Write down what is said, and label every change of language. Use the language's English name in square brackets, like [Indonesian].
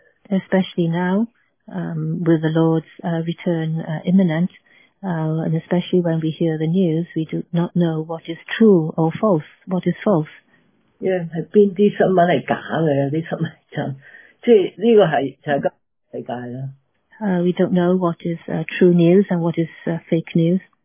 [English] Especially now, with the Lord's return imminent, and especially when we hear the news, we do not know what is true or false, what is false. [Chinese] 哪些新闻是假的,哪些新闻是真的,这个就是今天的世界。 [English] We don't know what is true news and what is fake news.